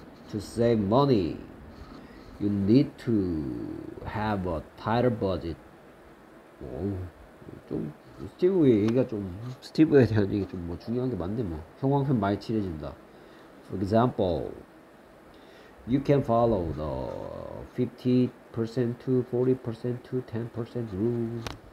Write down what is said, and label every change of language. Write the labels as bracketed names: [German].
[English] To save money, you need to have a tighter budget. [Korean] 오, 좀 스티브의 얘기가 좀 스티브에 대한 얘기 좀 뭐 중요한 게 많네. 뭐 형광펜 많이 칠해진다. [English] For example, you can follow the 50% to 40% to 10% rule.